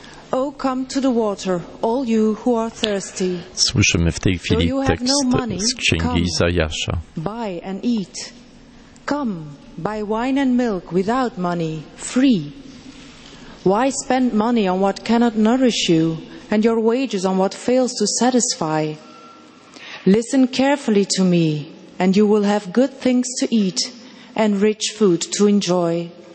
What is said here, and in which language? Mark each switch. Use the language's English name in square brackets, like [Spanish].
[English] O come to the water, all you who are thirsty. [Polish] Słyszymy w tej chwili tekst z Księgi Izajasza. [English] Buy and eat. Come, buy wine and milk without money, free. Why spend money on what cannot nourish you, and your wages on what fails to satisfy? Listen carefully to me, and you will have good things to eat and rich food to enjoy.